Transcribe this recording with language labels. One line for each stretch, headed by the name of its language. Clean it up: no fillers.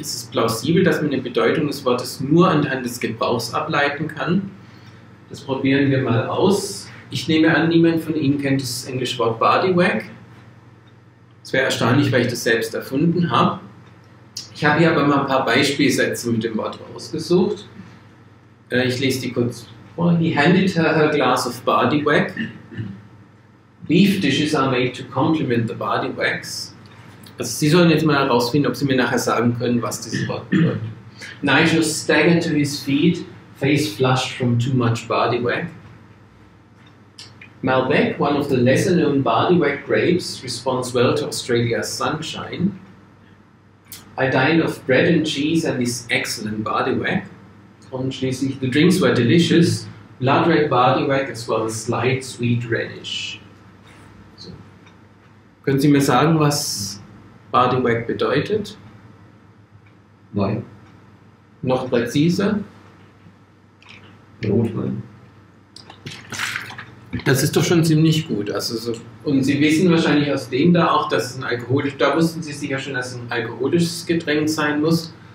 German: Ist es plausibel, dass man eine Bedeutung des Wortes nur anhand des Gebrauchs ableiten kann? Das probieren wir mal aus. Ich nehme an, niemand von Ihnen kennt das englische Wort Bodywag. Es wäre erstaunlich, weil ich das selbst erfunden habe. Ich habe hier aber mal ein paar Beispielsätze mit dem Wort rausgesucht. Ich lese die kurz vor.
English: He handed her her glass of Bodywag. Beef dishes are made to complement the Bodywags.
German: Also Sie sollen jetzt mal herausfinden, ob Sie mir nachher sagen können, was dieses Wort bedeutet.
English: Nigel staggered to his feet. Face flushed from too much Bodywag. Malbec, one of the lesser-known Bodywag grapes, responds well to Australia's sunshine. I dined off bread and cheese and this excellent Bodywag.
German: Und schließlich,
English: the drinks were delicious, blood red Bodywag as well as light sweet reddish.
German: So. Können Sie mir sagen, was Bodywag bedeutet? Nein. Noch präziser? Rotwein. Das ist doch schon ziemlich gut. Also so, und Sie wissen wahrscheinlich aus dem da auch, dass es ein alkoholisches, da wussten Sie sicher schon, dass es ein alkoholisches Getränk sein muss.